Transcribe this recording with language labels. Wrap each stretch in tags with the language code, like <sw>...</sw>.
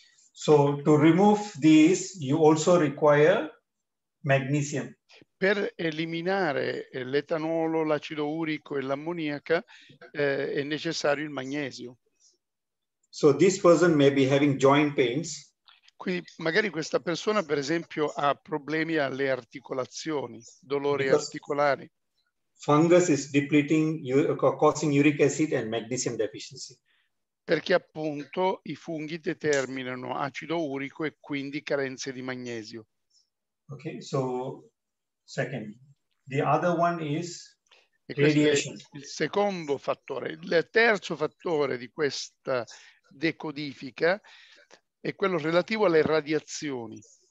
<en>So to remove these you also require magnesium.</en> <it>Per eliminare l'etanolo, l'acido urico e l'ammoniaca è necessario il magnesio.</it> <en>So this person may be having joint pains.</en> <it>Quindi magari questa persona, per esempio, ha problemi alle articolazioni, dolori articolari.</it> <en>Fungus is depleting, causing uric acid and magnesium deficiency.</en> <it>Perché appunto i funghi determinano acido urico e quindi carenze di magnesio.</it> <en>Ok, so second. The other one is radiation.</en> <it>Il secondo fattore, il terzo fattore di questa decodifica è quello relativo alle radiazioni.</it>